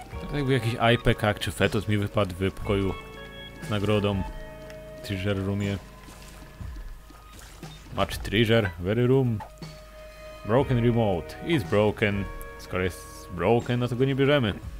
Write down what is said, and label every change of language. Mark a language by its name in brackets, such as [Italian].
[Polish] To jakby jakiś IPK czy fetus mi wypadł w pokoju z nagrodą w Treasure Roomie. [English] Much treasure, very room. Broken remote, is broken. [Polish] Skoro jest broken, no to go nie bierzemy.